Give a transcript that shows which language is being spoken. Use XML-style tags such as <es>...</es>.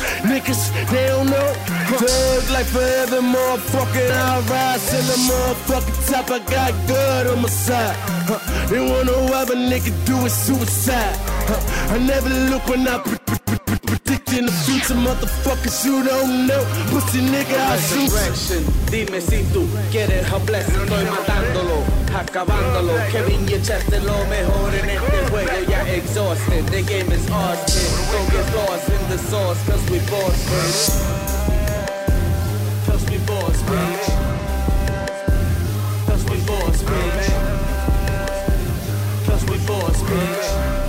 <en>Niggas, they don't know. Thug life forever, motherfucker. I rise to the motherfucking top. I got God on my side. They wonder why a nigga doing suicide. I never look when I predicting the future, motherfuckers, you don't know. Pussy nigga, I shoot.</en> <es>Dime si tú quieres a blessing. Estoy matándolo, acabándolo. Kevin y Chester, lo mejor en este juego.</es> <en>Ya exhausted, the game is awesome. Don't get lost in the sauce, cause we boss, bitch. Cause we boss, bitch. Cause we boss, bitch. Cause we boss, bitch. Cause we boss, bitch.</en>